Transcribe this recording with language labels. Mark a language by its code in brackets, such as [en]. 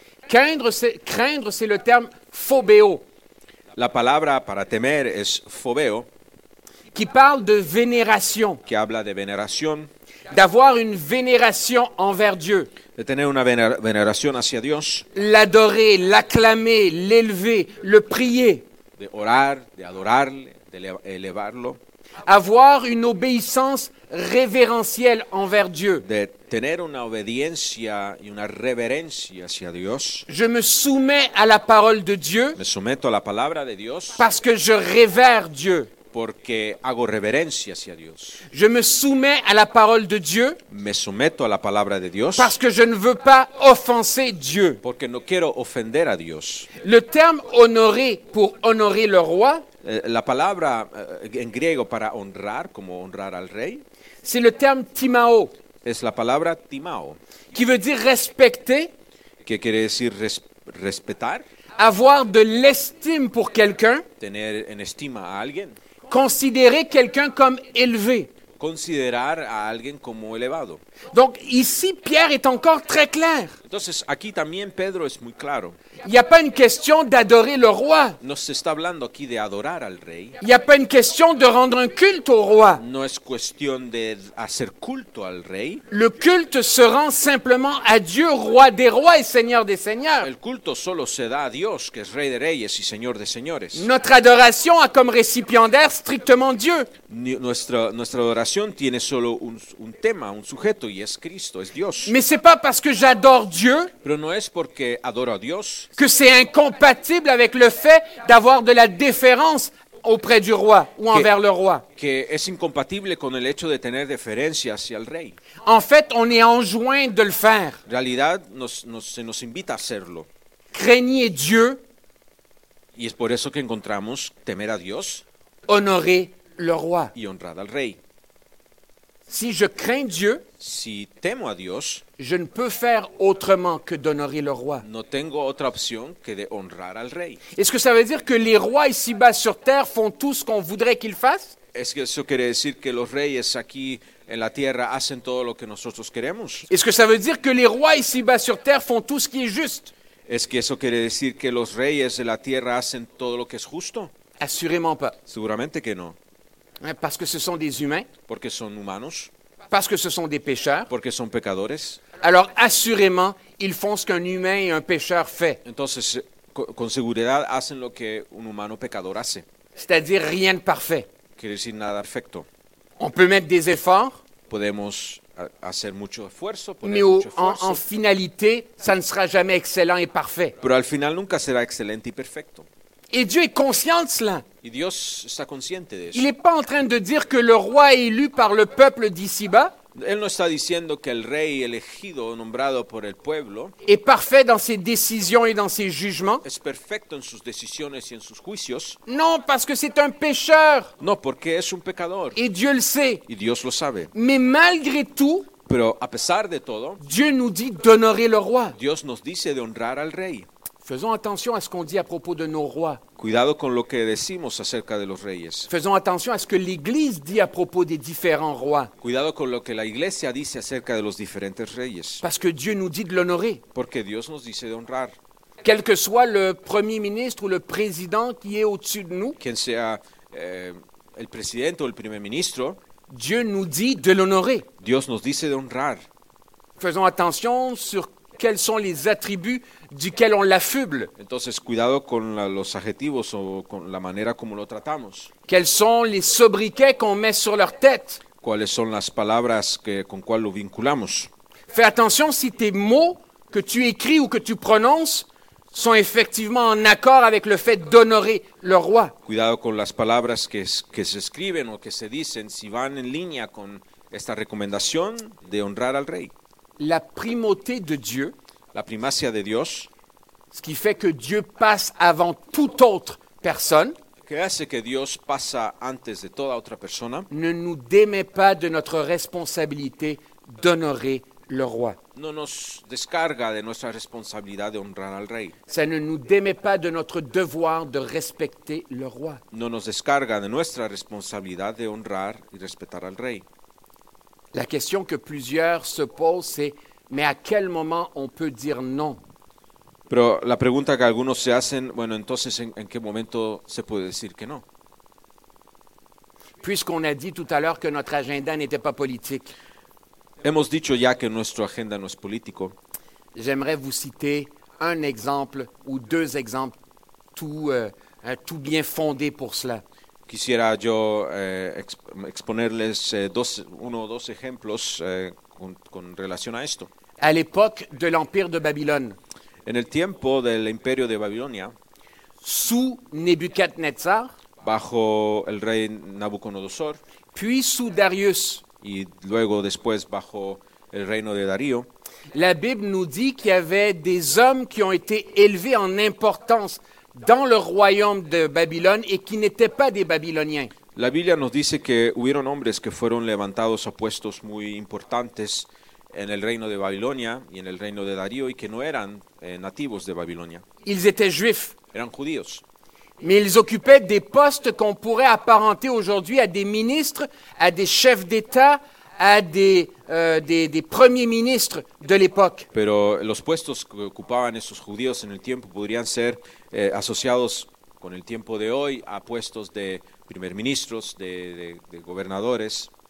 [fr] Craindre, c'est le terme phobéo. [es] La palabra para temer es phobéo. [fr] Qui parle de vénération. [es] Que habla de veneración. [fr] D'avoir une vénération envers Dieu. [es] De tener una veneración hacia Dios. [fr] L'adorer, l'acclamer, l'élever, le prier. [es] De orar, de adorarle, de elevarlo. [fr] Avoir une obéissance révérentielle envers Dieu. [es] De tener una obediencia y una reverencia hacia Dios. [fr] Je me soumets à la parole de Dieu. [es] Me someto a la palabra de Dios. [fr] Parce que je révère Dieu. [es] porque hago reverencia hacia Dios. [fr] Je me soumets à la parole de Dieu. [es] Me someto a la palabra de Dios. [fr] Parce que je ne veux pas offenser Dieu. [es] Porque no quiero ofender a Dios. [fr] Le terme honorer pour honorer le roi. [es] La palabra en griego para honrar, como honrar al rey. [fr] C'est le terme timao. [es] Es la palabra timao. [fr] Qui veut dire respecter. [es] Que quiere decir respetar. [fr] Avoir de l'estime pour quelqu'un. [es] Tener en estima a alguien. [fr] Considérer quelqu'un comme élevé. [es] Considerar a alguien como elevado. [fr] Donc ici Pierre est encore très clair. [es] Entonces aquí también Pedro es muy claro. [fr] Il n'y a pas une question d'adorer le roi. [es] No se está hablando aquí de adorar al rey. [fr] Il n'y a pas une question de rendre un culte au roi. [es] No es cuestión de hacer culto al rey. [fr] Le culte se rend simplement à Dieu, roi des rois et seigneur des seigneurs. [es] El culto solo se da a Dios, que es rey de reyes y señor de señores. [fr] Notre adoration a comme récipiendaire strictement Dieu. [es] Nuestra adoración tiene solo un tema, un sujeto y es Cristo, es Dios. [fr] Mais c'est pas parce que j'adore Dieu. [es] Pero no es porque adoro a Dios. [fr] Que c'est incompatible avec le fait d'avoir de la déférence auprès du roi ou envers le roi. [es] Que es incompatible con el hecho de tener deferencia hacia el rey. [fr] En fait, on est enjoint de le faire. [es] En realidad, se nos invita a hacerlo. [fr] Craignez Dieu. [es] Y es por eso que encontramos temer a Dios. [fr] Honorer le roi. [es] Y honrar al rey. [fr] Si je crains Dieu, [es] si temo a Dios, [fr] je ne peux faire autrement que d'honorer le roi. [es] No tengo otra opción que de honrar al rey. [fr] Est-ce que ça veut dire que les rois ici-bas sur terre font tout ce qu'on voudrait qu'ils fassent? Est-ce que [es] eso quiere decir que los reyes aquí en la tierra hacen todo lo que nosotros queremos? [fr] Est-ce que ça veut dire que les rois ici-bas sur terre font tout ce qui est juste? [es] Es que eso quiere decir que los reyes de la tierra hacen todo lo que es justo? [fr] Assurément pas. [es] Seguramente que no. [fr] Parce que ce sont des humains. [es] Porque son humanos. [fr] Parce que ce sont des pécheurs. [es] Porque son pecadores. [fr] Alors assurément, ils font ce qu'un humain et un pécheur fait. [es] Entonces, con seguridad hacen lo que un humano pecador hace. [fr] C'est-à-dire rien de parfait. [es] Quiere decir nada perfecto. [fr] On peut mettre des efforts. [es] Podemos hacer mucho esfuerzo. [fr] Mais en finalité, ça ne sera jamais excellent et parfait. [es] Pero al final nunca será excelente y perfecto. [fr] Et Dieu est conscient de cela. [es] Y Dios está consciente de eso. [fr] Il n'est pas en train de dire que le roi est élu par le peuple d'ici-bas. [es] Él no está diciendo que el rey elegido, nombrado por el pueblo, [fr] est parfait dans ses décisions et dans ses jugements. [es] Es perfecto en sus decisiones y en sus juicios. [fr] Non, parce que c'est un pécheur. [es] No, porque es un pecador. [fr] Et Dieu le sait. [es] Y Dios lo sabe. [fr] Mais malgré tout, [es] pero a pesar de todo, [fr] Dieu nous dit d'honorer le roi. [es] Dios nos dice de honrar al rey. [fr] Faisons attention à ce qu'on dit à propos de nos rois. [es] Cuidado con lo que decimos acerca de los reyes. [fr] Faisons attention à ce que l'Église dit à propos des différents rois. [es] Cuidado con lo que la Iglesia dice acerca de los diferentes reyes. [fr] Parce que Dieu nous dit de l'honorer. [es] Porque Dios nos dice de honrar. [fr] Quel que soit le premier ministre ou le président qui est au-dessus de nous. [es] Quien sea el presidente o el primer ministro. [fr] Dieu nous dit de l'honorer. [es] Dios nos dice de honrar. [fr] Faisons attention sur quels sont les attributs duquel on l'affuble. [es] Entonces, cuidado con los adjetivos o con la manera como lo tratamos. [fr] Quels sont les sobriquets qu'on met sur leur tête? [es] ¿Cuáles son las palabras con cuál lo vinculamos? [fr] Fais attention si tes mots que tu écris ou que tu prononces sont effectivement en accord avec le fait d'honorer le roi. [es] Cuidado con las palabras que se escriben o que se dicen si van en línea con esta recomendación de honrar al rey. [fr] La primauté de Dieu. [es] La primacia de Dios. [fr] Ce qui fait que Dieu passe avant toute autre personne. [es] Que hace que Dios pasa antes de toda otra persona. [fr] Ne nous démet pas de notre responsabilité d'honorer le roi. [es] No nos descarga de nuestra responsabilidad de honrar al rey. [fr] Ça ne nous démet pas de notre devoir de respecter le roi. [es] No nos descarga de nuestra responsabilidad de honrar y respetar al rey. [fr] La question que plusieurs se posent, c'est mais à quel moment on peut dire non? [es] Pero la pregunta que algunos se hacen, bueno, entonces en qué momento se puede decir que no? [fr] Puisqu'on a dit tout à l'heure que notre agenda n'était pas politique. [es] Hemos dicho ya que nuestro agenda no es político. [fr] J'aimerais vous citer un exemple ou deux exemples tout bien fondés pour cela. [es] Quisiera yo exponerles uno o dos ejemplos con relación a esto. [fr] À l'époque de l'Empire de Babylone. [es] En el tiempo del Imperio de Babilonia. [fr] Sous Nebuchadnezzar. [es] bajo el rey Nabucodonosor, [fr] puis sous Darius, [es] y luego después bajo el reino de Darío. [fr] La Bible nous dit qu'il y avait des hommes qui ont été élevés en importance dans le royaume de Babylone et qui n'étaient pas des Babyloniens. [es] La Biblia nos dice que hubieron hombres que fueron levantados a puestos muy importantes en el reino de Babilonia y en el reino de Darío y que no eran nativos de Babilonia. [fr] Ils étaient juifs. [es] Eran judíos. [fr] Mais ils occupaient des postes qu'on pourrait apparenter aujourd'hui à des ministres, à des chefs d'État, à des premiers ministres de l'époque. [es] Pero los puestos que ocupaban esos judíos en el tiempo podrían ser asociados con el tiempo de hoy a puestos de primer ministros, de gobernadores.